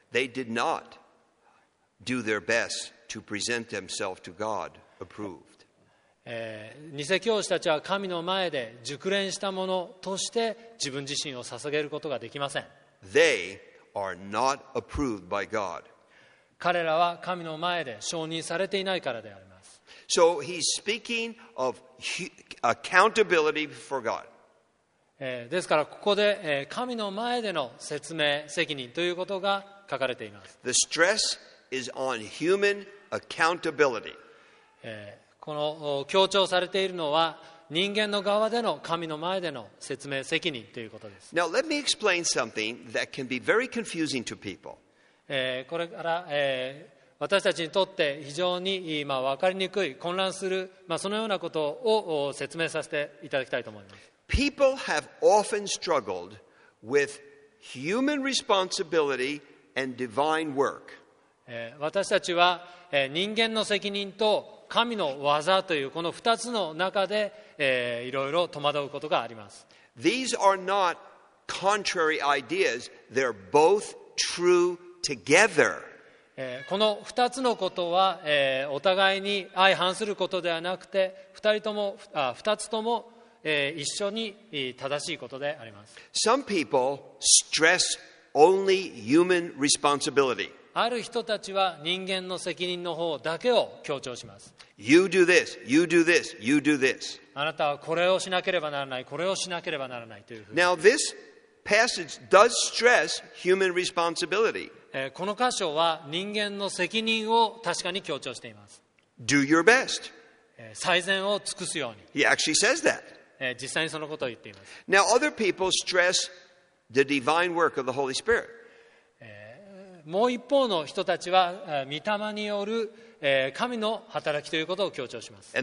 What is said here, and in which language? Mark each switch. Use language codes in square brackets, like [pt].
[en] They did not do their best to present themselves to God approved. [ja] 偽教師たちは神の前で熟練したものとして自分自身を捧げることができません。 [en] They are not approved by God. [ja] 彼らは神の前で承認されていないからであります。 [en] So he's speaking of accountability before God. [ja] ですからここで神の前での説明責任ということが書かれています。 [en] The stress is on human accountability. [ja] この強調されているのは人間の側での神の前での説明責任ということです。 [en] Now let me explain something that can be very confusing to people. [ja] これから、私たちにとって非常に、まあ、分かりにくい混乱する、まあ、そのようなことを説明させていただきたいと思います。 [en] People have often struggled with human responsibility and divine work. [ja] 私たちは、人間の責任と神の技というこの2つの中でいろいろ戸惑うことがあります。 [en] These are not contrary ideas. They're both true together. [ja] この2つのことは、お互いに相反することではなくて、2つとも、一緒に正しいことであります。 [en] Some people stress only human responsibility. [ja] ある人たちは人間の責任の方だけを強調します。 [en] You do this, you do this, you do this. [ja] あなたはこれをしなければならない、これをしなければならないというふうに。 [en] Now this passage does stress human responsibility. [ja] この箇所は人間の責任を確かに強調しています。 [en] Do your best. [ja] 最善を尽くすように。 [en] He actually says that. [ja] 実際にそのことを言っています。 [en] Now other people stress the divine work of the Holy Spirit. [ja] もう一方の人たちは御霊による神の働きということを強調します。